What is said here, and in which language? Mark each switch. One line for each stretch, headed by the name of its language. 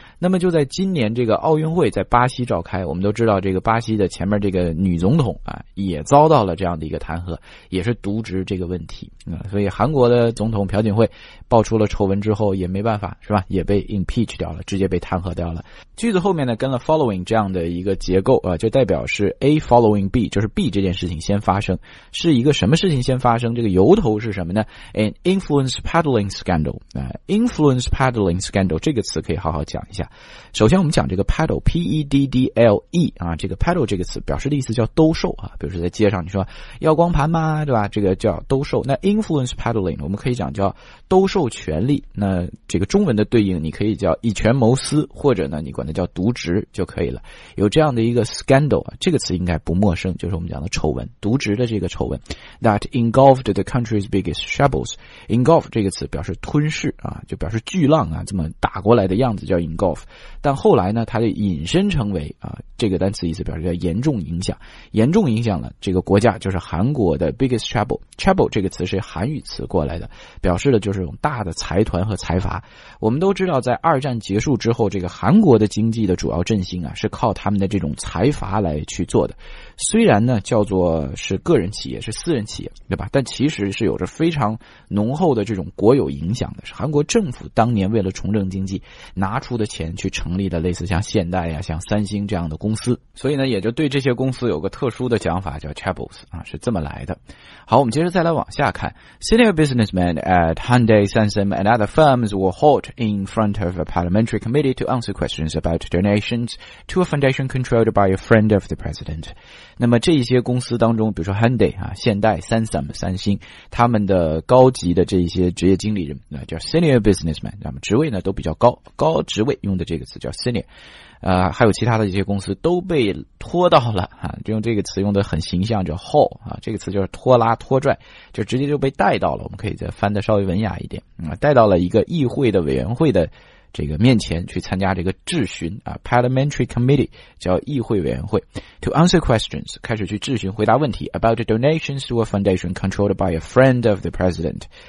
Chinese: 那么就在今年这个奥运会在巴西召开，我们都知道这个巴西的前面这个女总统啊也遭到了这样的一个弹劾，也是渎职这个问题啊，所以韩国的总统朴槿惠爆出了丑闻之后也没办法，是吧，也被 impeach 掉了，直接被弹劾掉了。句子后面呢跟了 following 这样的一个结构啊，就代表是 A following B, 就是 B 这件事情先发生，是一个什么事情先发生，这个由头是什么呢？
English: An influence peddling scandal, 啊 influence peddling scandal
Chinese: 这个词可以好好讲一下。首先我们讲这个 peddle, P-E-D-D-L-E, 啊这个 peddle 这个词表示的意思叫兜售啊，比如说在街上你说要光盘吗，对吧，这个叫兜售。那 influence peddling 我们可以讲叫兜售权力，那这个中文的对应你可以叫以权谋私，或者呢你管它叫渎职就可以了。有这样的一个 scandal, 这个词应该不陌生，就是我们讲的丑闻，渎职的这个丑闻。
English: That engulfed the country's biggest shovels.
Chinese: Engulf 这个词表示吞噬啊，就表示巨浪啊这么打过来的样子叫 engulf。但后来呢它就引申成为啊，这个单词意思表示叫严重影响，严重影响了这个国家，就是韩国的 biggest trouble。 trouble 这个词是韩语词过来的，表示的就是一种大的财团和财阀。我们都知道在二战结束之后，这个韩国的经济的主要振兴啊是靠他们的这种财阀来去做的，虽然呢叫做是个人企业，是私人企业，对吧，但其实是有着非常浓厚的这种国有影响的，是韩国政府当年为了重振经济拿出的钱去成立的类似像现代啊像三星这样的公司。所以呢也就对这些公司有个特殊的讲法叫 troubles 啊，是这么来的。好，我们接着再来往下看。
English: Senior businessmen at Hyundai, Samsung and other firms were hauled in front of a parliamentary committee to answer questions about donations to a foundation controlled by a friend of the president.
Chinese: 那么这一些公司当中，比如说 Hyundai 啊现代 Samsung 三星，他们的高级的这一些职业经理人那叫 senior businessmen, 那么职位呢都比较高，高职位用的这个词叫 senior, 还有其他的一些公司都被拖到了啊，就用这个词用的很形象，叫 haul 啊，这个词就是拖拉拖拽，就直接就被带到了，我们可以再翻的稍微文雅一点啊，带到了一个议会的委员会的这个面前去参加这个质询啊 ,parliamentary committee, 叫议会委员会 ,
English: to answer questions,
Chinese: 开始去质询回答问题 ,
English: about donations to a foundation controlled by a friend of the president.